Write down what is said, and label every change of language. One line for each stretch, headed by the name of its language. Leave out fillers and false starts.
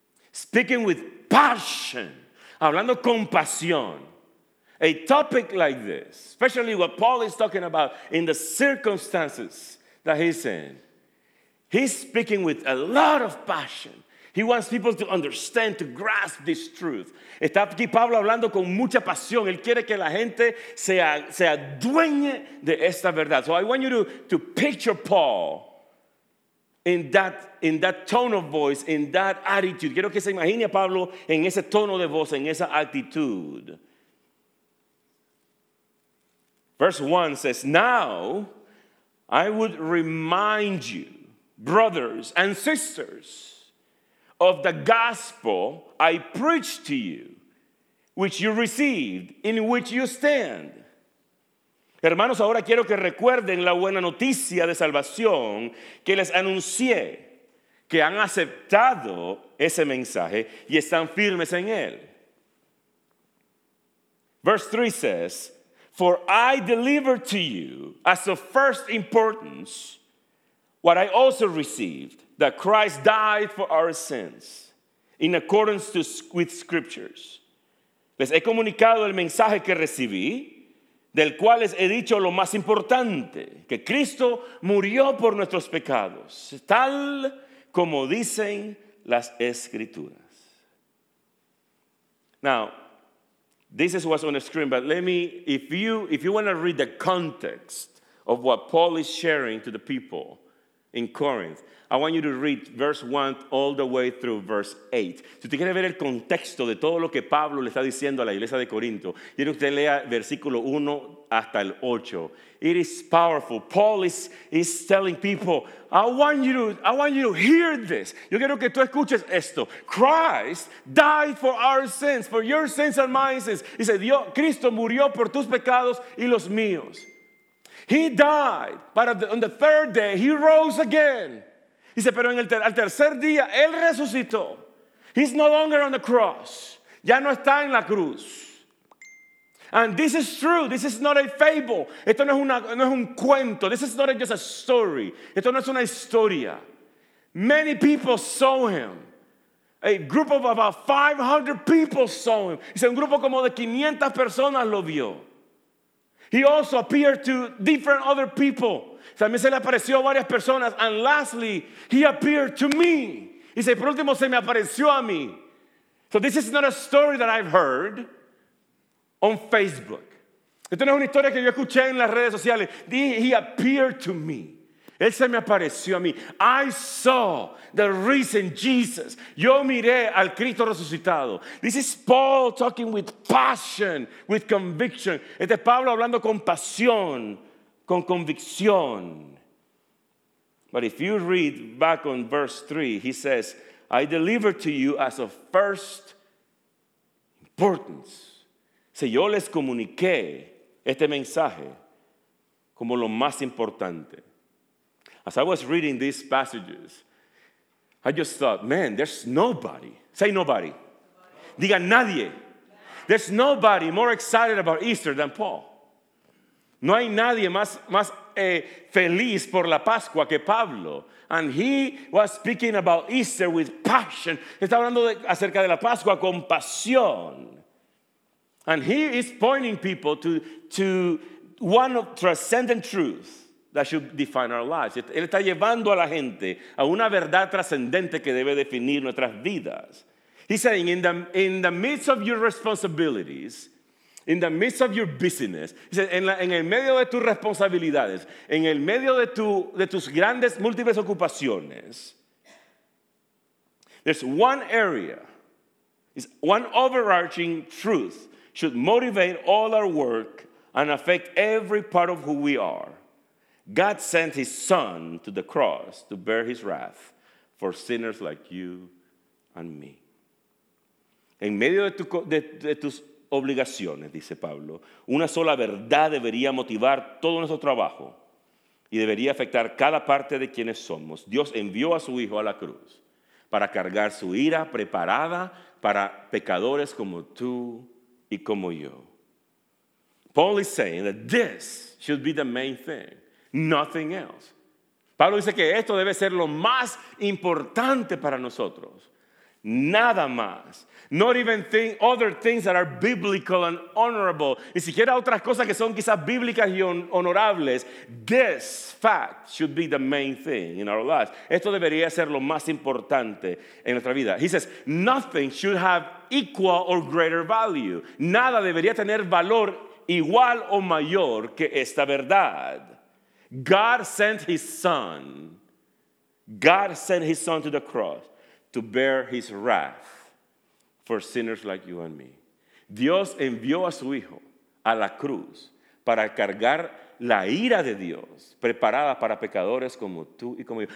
English: Speaking with passion,
Spanish: hablando con pasión.
English: A topic like this, especially what Paul is talking about in the circumstances that he's in. He's speaking with a lot of passion. He wants people to understand, to grasp this truth.
Spanish: Está aquí Pablo hablando con mucha pasión. Él quiere que la gente se adueñe de esta verdad.
English: So I want you to picture Paul in that tone of voice, in that attitude.
Spanish: Quiero que se imagine a Pablo en ese tono de voz, en esa actitud.
English: Verse 1 says, "Now I would remind you, brothers and sisters, of the gospel I preached to you, which you received, in which you stand."
Spanish: Hermanos, ahora quiero que recuerden la buena noticia de salvación que les anuncié, que han aceptado ese mensaje y están firmes en él.
English: Verse 3 says, "For I delivered to you as of first importance what I also received, that Christ died for our sins in accordance with scriptures."
Spanish: Les he comunicado el mensaje que recibí, del cual les he dicho lo más importante, que Cristo murió por nuestros pecados, tal como dicen las Escrituras.
English: Now, this is what's on the screen, but let me, if you want to read the context of what Paul is sharing to the people in Corinth, I want you to read verse 1 all the way through verse 8.
Spanish: Si usted quiere ver el contexto de todo lo que Pablo le está diciendo a la iglesia de Corinto, quiero que usted lea versículo 1 hasta el 8.
English: It is powerful. Paul is telling people, I want you to hear this.
Spanish: Yo quiero que tú escuches esto.
English: Christ died for our sins, for your sins and my sins.
Spanish: Dice, Dios, Cristo murió por tus pecados y los míos.
English: He died, but on the third day, he rose again.
Spanish: Dice, pero en al tercer día, Él resucitó.
English: He's no longer on the cross.
Spanish: Ya no está en la cruz.
English: And this is true. This is not a fable.
Spanish: Esto no es un cuento.
English: This is not just a story.
Spanish: Esto no es una historia.
English: Many people saw Him. A group of about 500 people saw Him.
Spanish: Dice, un grupo como de 500 personas lo vio.
English: He also appeared to different other people.
Spanish: También se le apareció a varias personas.
English: And lastly, he appeared to me.
Spanish: Y dice, por último, se me apareció a mí.
English: So this is not a story that I've heard on Facebook.
Spanish: Esto no es una historia que yo escuché en las redes sociales.
English: He appeared to me.
Spanish: Él se me apareció a mí.
English: I saw the risen Jesus.
Spanish: Yo miré al Cristo resucitado.
English: This is Paul talking with passion, with conviction.
Spanish: Este es Pablo hablando con pasión, con convicción.
English: But if you read back on verse 3, he says, I deliver to you as of first importance.
Spanish: Si yo les comuniqué este mensaje como lo más importante.
English: As I was reading these passages, I just thought, man, there's nobody. Say nobody.
Spanish: Diga nadie.
English: There's nobody more excited about Easter than Paul.
Spanish: No hay nadie más feliz por la Pascua que Pablo.
English: And he was speaking about Easter with passion.
Spanish: Está hablando acerca de la Pascua con pasión.
English: And he is pointing people to one of transcendent truths that should define our lives.
Spanish: Él está llevando a la gente a una verdad trascendente que debe definir nuestras vidas.
English: He's saying, in the midst of your responsibilities, in the midst of your business, he said,
Spanish: en el medio de tus responsabilidades, en el medio de tus grandes múltiples ocupaciones,
English: there's one area, it's one overarching truth should motivate all our work and affect every part of who we are. God sent his son to the cross to bear his wrath for sinners like you and me.
Spanish: En medio de tus obligaciones, dice Pablo, una sola verdad debería motivar todo nuestro trabajo y debería afectar cada parte de quienes somos. Dios envió a su hijo a la cruz para cargar su ira preparada para pecadores como tú y como yo.
English: Paul is saying that this should be the main thing. Nothing else.
Spanish: Pablo dice que esto debe ser lo más importante para nosotros. Nada más.
English: Not even other things that are biblical and honorable.
Spanish: Ni siquiera otras cosas que son quizás bíblicas y honorables.
English: This fact should be the main thing in our lives.
Spanish: Esto debería ser lo más importante en nuestra vida.
English: He says, nothing should have equal or greater value.
Spanish: Nada debería tener valor igual o mayor que esta verdad.
English: God sent his son. God sent his son to the cross to bear his wrath for sinners like you and me.
Spanish: Dios envió a su hijo a la cruz para cargar la ira de Dios preparada para pecadores como tú y como yo.